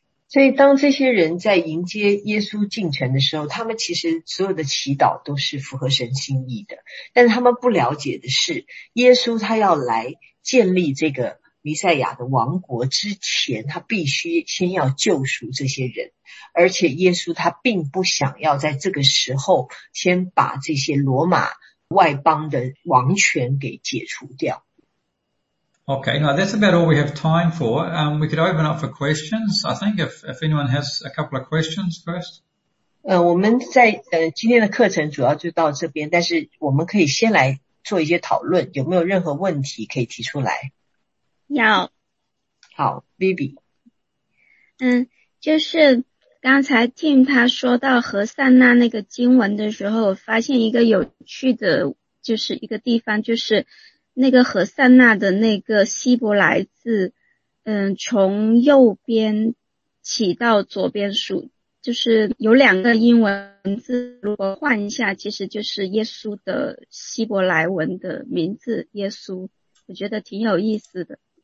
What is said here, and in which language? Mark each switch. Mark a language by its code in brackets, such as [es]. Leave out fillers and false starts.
[zh] 所以当这些人在迎接耶稣进城的时候，他们其实所有的祈祷都是符合神心意的，但是他们不了解的是，耶稣他要来建立这个弥赛亚的王国之前，他必须先要救赎这些人，而且耶稣他并不想要在这个时候先把这些罗马外邦的王权给解除掉。 [en] Okay, now that's about all we have time for. We could open up for questions. I think if anyone has a couple of questions first. [zh] 我们在今天的课程主要就到这边，但是我们可以先来做一些讨论，有没有任何问题可以提出来？有。好 ，Vivi。就是刚才 Tim 他说到何塞纳那个经文的时候，发现一个有趣的，就是一个地方，就是那个何塞纳的那个希伯来字，从右边起到左边数，就是有两个英文字，如果换一下，其实就是耶稣的希伯来文的名字耶稣，我觉得挺有意思的。